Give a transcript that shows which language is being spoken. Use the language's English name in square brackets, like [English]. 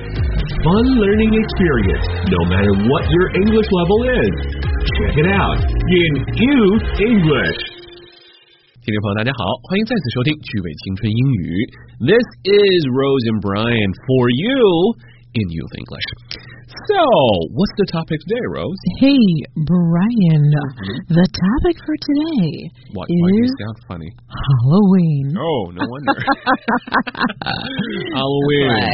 [English] Fun learning experience, no matter what your English level is. Check it out in Use English. [Chinese] 听众朋友大家好，欢迎再次收听趣味青春英语。 [English] This is Rose and Brian for you in Use English. So, what's the topic today, Rose? Hey, Brian. The topic for today why is do you sound funny? Halloween. Oh, no wonder. Halloween.